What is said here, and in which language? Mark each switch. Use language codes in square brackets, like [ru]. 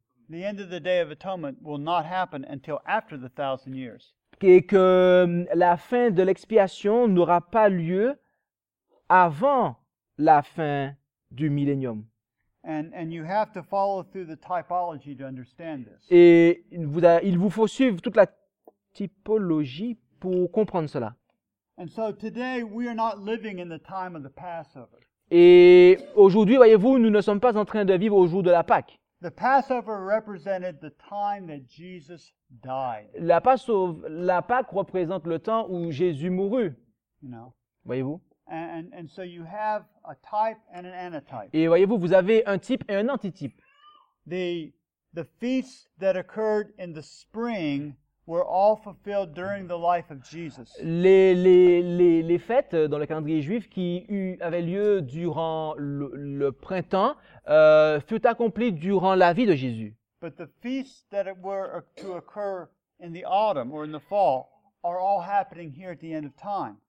[en] the end of the Day of Atonement will not happen until after the 1,000 years. [fr] Et que la fin de l'expiation n'aura pas lieu avant la fin du millénium. [en] And you have to follow through the typology to understand this. [fr] Et il vous faut suivre toute la typologie pour comprendre cela. [en] And so today we are not living in the time of the Passover. [fr] Et aujourd'hui, voyez-vous, nous ne sommes pas en train de vivre au jour de la Pâque. [en] The Passover represented the time that Jesus died. [fr] La Pâque représente le temps où Jésus mourut. [en] No. [fr] Voyez-vous? [en] And so you have a type and an antitype. [fr] Et voyez-vous, vous avez un type et un antitype. [en] The feasts that occurred in the spring were all fulfilled during the life of Jesus. [fr] Les fêtes dans le calendrier juif qui avaient lieu durant le printemps furent accomplies durant la vie de Jésus. [en] But the feasts that were to occur in the autumn or in the fall are all happening here at the end of time.